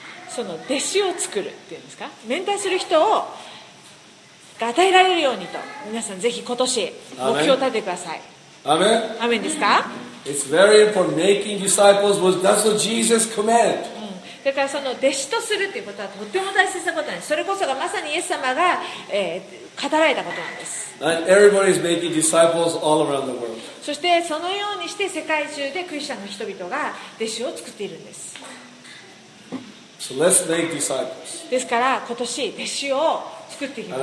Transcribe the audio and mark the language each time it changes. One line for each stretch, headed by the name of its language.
Japanese: その弟子を作るっていうんですか、メンターする人をが与えられるようにと、皆さんぜひ今年目標を立ててください。アメン。アメンですか。
English: It's very important. Making disciples was, that's what Jesus commanded.
Japanese: だからその弟子とするっていうことはとっても大切なことなんです。それこそがまさにイエス様が、語られたことなんです。
English: And everybody is making disciples all around the world.
Japanese: そしてそのようにして世界中でクリスチャンの人々が弟子を作っているんです。
English: So let's make disciples.
Japanese: ですから今年弟子を作っていきます。